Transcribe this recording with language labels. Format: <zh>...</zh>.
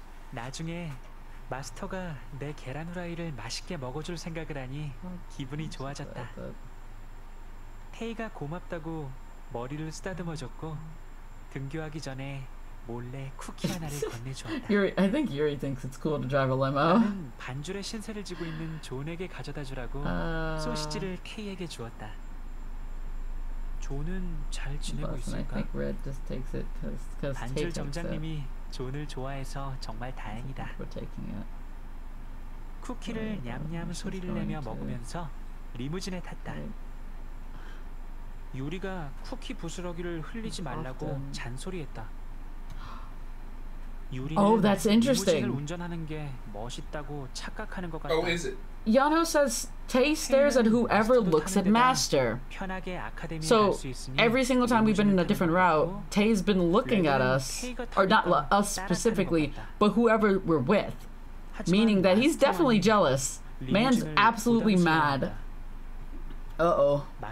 <ko>나중에 마스터가 내 계란 후라이를 맛있게 먹어줄 생각을 하니 기분이 좋아졌다. 테이가 고맙다고 머리를 쓰다듬어줬고 등교하기 전에 몰래 쿠키 하나를 건네주었다.</ko> <en>Yuri, I think Yuri thinks it's cool to drive a limo.</en> <ko>반주의 신세를 지고 있는 존에게 가져다 주라고 소시지를 K에게 주었다. 존은 잘 지내고 있을까?</ko> <en>I think Red just takes it because</en> <ko>반주 점장님이 존을 좋아해서 정말 다행이다. 쿠키를 냠냠 소리를 내며 먹으면서 리무진에 탔다. 유리가 쿠키 부스러기를 흘리지 말라고 잔소리했다. 유리는</ko> <en>oh, that's interesting.</en> <ko>리무진을 운전하는 게 멋있다고 착각하는 것 같다.</ko> <en>Oh, is it? Yeonho says Tae stares at whoever looks at Master. So every single time we've been in a different route, Tae's been looking at us, or not us specifically, but whoever we're with. Meaning that he's definitely jealous. Man's absolutely mad. Uh-oh.</en>